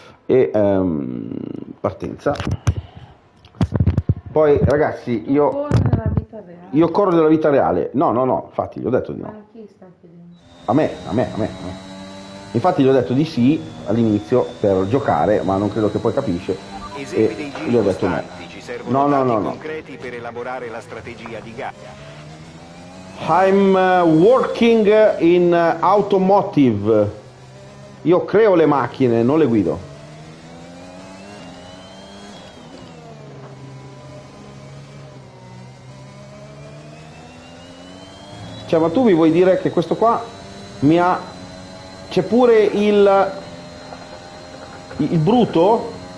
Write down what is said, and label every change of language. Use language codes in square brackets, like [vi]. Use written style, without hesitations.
[it] E partenza. Poi ragazzi, io corro nella vita reale. No, no, no, infatti gli ho detto di no. A chi sta chiedendo? A me. Infatti gli ho detto di sì all'inizio per giocare, ma non credo che poi capisce. Esempi dei giri costanti, ci servono dati concreti per elaborare la strategia di gara. [en] I'm working in automotive. [it] Io creo le macchine, non le guido. Cioè, ma tu mi vuoi dire che questo qua mi ha... C'è pure il bruto?